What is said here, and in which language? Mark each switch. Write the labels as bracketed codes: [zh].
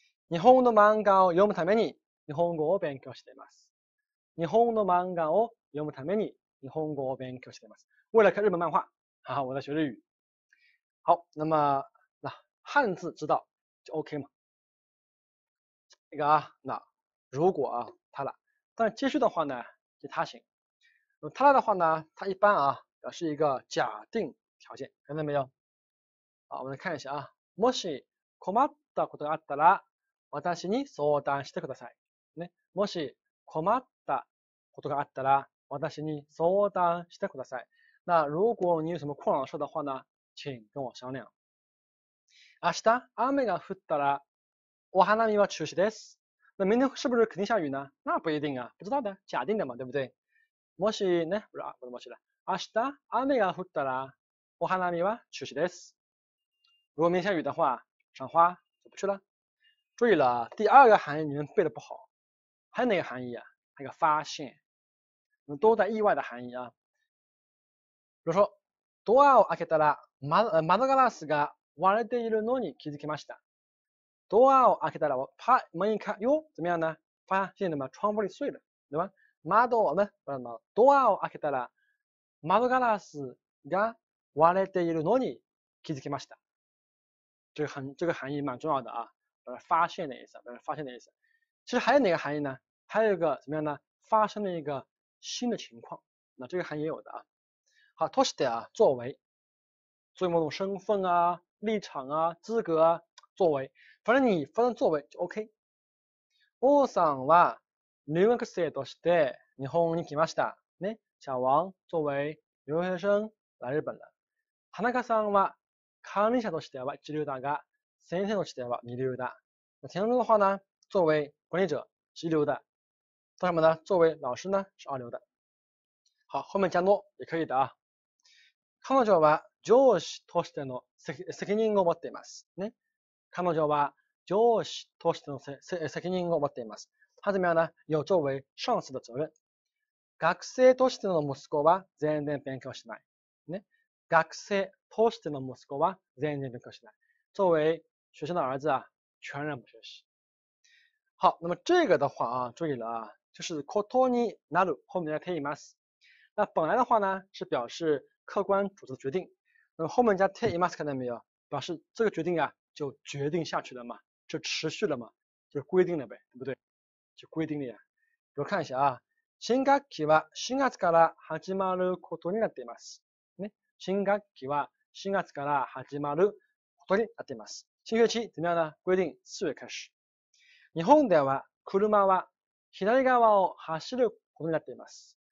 [ja] 日本の漫画を読むために日本語を勉強しています。日本の漫画を読むために日本語を勉強しています。 [zh] 为了看日本漫画，哈哈，我在学日语。好，那么那汉字知道就 OK 嘛。那个啊，那如果啊，它了，但接续的话呢，就它行。它了的话呢，它一般啊，表示一个假定条件，看到没有？好，我们来看一下啊。 [ja] もし困ったことがあったら、私に相談してください。ね、もし困ったことがあったら、私に相談してください。 [zh] 那如果你有什么困扰事的话呢，请跟我商量。 [ja] 明日雨が降ったら、お花見は中止です。 [zh] 那明天是不是肯定下雨呢？那不一定啊，不知道的，假定的嘛，对不对？もしね、不是啊，不是もしだ。 [ja] 明日雨が降ったら、お花見は中止です。 [zh] 如果明天下雨的话，赏花就不去了。注意了，第二个含义你们背的不好，还有哪个含义啊？还有个发现，都在意外的含义啊。 [ja] 比如说，ドアを開けたら窓ガラスが割れているのに気づきました。ドアを開けたら、パ、 [zh] 门一开，哟，怎么样呢？发现了吗？窗玻璃碎了，对吧？窓呢？不是窓。 [ja] ドアを開けたら、窓ガラスが割れているのに気づきました。 [zh] 这个含义蛮重要的啊，发现的意思，发现的意思。其实还有哪个含义呢？还有一个怎么样呢？发生了一个新的情况，那这个含义也有的啊。好，として啊，作为某种身份啊、立场啊、资格啊，作为，反正你发生作为就 OK。 [ja] 王さんは留学生として日本に来ました。 [zh] ね、小王作为留学生来日本了。 [ja] 田中さんは管理者としては一流だが、先生としては二流だ。 [zh] 那田中的话呢，作为管理者是一流的，做什么呢？作为老师呢是二流的。好，后面加诺也可以的啊。 [ja] 彼女は上司としての責任を持っています。ね、彼女は上司としての責任を持っています。 [zh] 他怎么样呢？有作为上司的责任。 [ja] 学生としての息子は全然勉強しない。ね、学生としての息子は全然勉強しない。 [zh] 作为学生的儿子啊，全然不学习。好，那么这个的话啊，注意了啊，就是ことになる后面加ています。那本来的话呢，是表示客观主持的决定，那么后面加ています，看到没有？表示这个决定啊，就决定下去了嘛，就持续了嘛，就规定了呗，对不对？就规定了呀。比如看一下啊， [ja] 新学期は4月から始まることになっています。ね、新学期は4月から始まることになっています。 [zh] 新学期怎么样呢？规定4月开始。 [ja] 日本では車は左側を走ることになっています。